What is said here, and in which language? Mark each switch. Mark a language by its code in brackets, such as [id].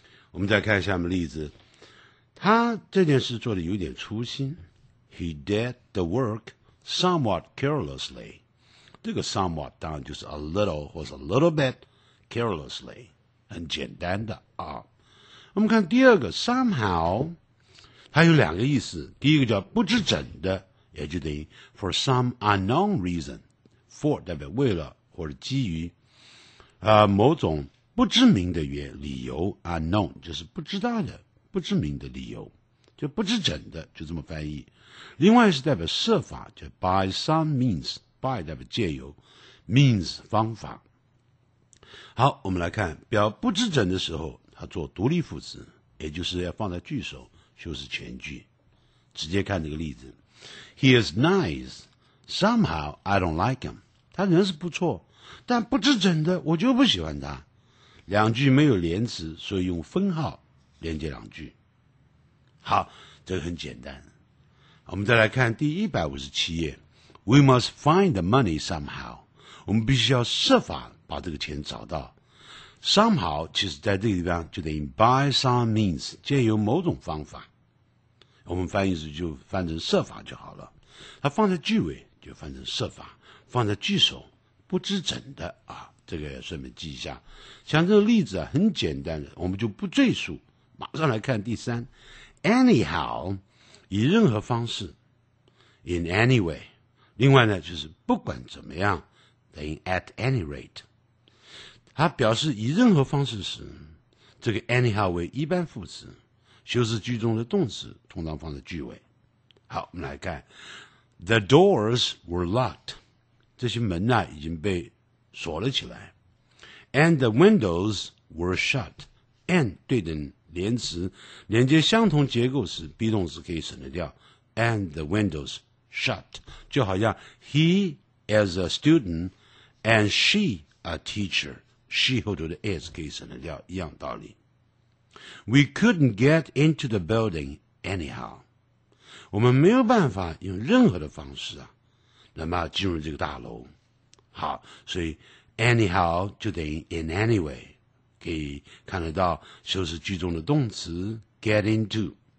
[zh] 我们再看下面例子，他这件事做的有点粗心， [en] He did the work somewhat carelessly, [zh] 这个 somewhat 当然就是 a little 或者 a little bitcarelessly, 很简单的啊。我们看第二个 somehow, 它有两个意思，第一个叫不知怎的，也就等于 [en] for some unknown reason, [zh] for 代表为了或者基于、某种不知名的理由， unknown 就是不知道的，不知名的理由，就不知怎的，就这么翻译。另外是代表设法，就 by some means, by 代表借由， means 方法。好，我们来看表不知怎的时候，它做独立副词，也就是要放在句首修饰全句。 [en] 直接看这个例子， He is nice, somehow I don't like him. [zh] 他人是不错，但不知怎的我就不喜欢他。两句没有连词，所以用分号连接两句。好，这个很简单。我们再来看第157页， [en] We must find the money somehow. [zh] 我们必须要设法把这个钱找到。somehow 其实在这个地方就等于 by some means, 借由某种方法，我们翻译时就翻成设法就好了，它放在句尾就翻成设法，放在句首不知怎的啊，这个也顺便记一下。像这个例子啊，很简单的，我们就不赘述，马上来看第三 anyhow, 以任何方式 in any way, 另外呢就是不管怎么样，等于 at any rate,它表示以任何方式时，这个 anyhow 为一般副词，修饰句中的动词通常放在句尾。好，我们来看 [en] The doors were locked, [zh] 这些门呢已经被锁了起来。 [en] And the windows were shut, [zh] and 对等连词连接相同结构时 [en] be [zh] 动词可以省得掉 [en] and the windows shut [zh] 就好像 [en] he is a student and she a teacher she [zh] 后头的 [en] is [zh] 可以省得掉一样道理 [en] we couldn't get into the building anyhow [zh] 我们没有办法用任何的方式啊，那么进入这个大楼好所以 anyhow 就等于 in anyway可以看得到修饰句中的动词 get into